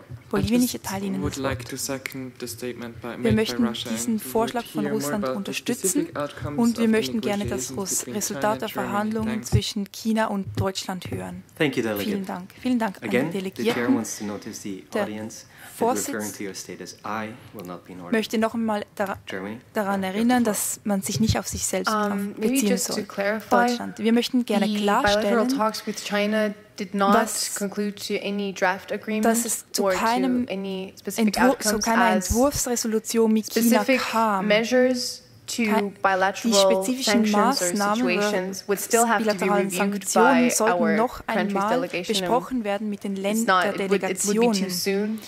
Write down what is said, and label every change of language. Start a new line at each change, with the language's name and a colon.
German: Bolivien, ich erteile Ihnen das Wort. Wir möchten diesen Vorschlag von Russland unterstützen und wir möchten gerne das Resultat der Verhandlungen zwischen China und Deutschland hören. Vielen Dank. Vielen Dank an die Delegierten. Der Vorsitz möchte noch einmal daran erinnern, dass man sich nicht auf sich selbst beziehen soll. Deutschland. Wir möchten gerne klarstellen,
English: talks with China did not conclude to any draft agreement
German: dass es zu keinem Entwurfsresolution mit China kam. Die spezifischen Maßnahmen oder bilateralen Sanktionen sollten noch einmal besprochen werden mit den Ländern der Delegation.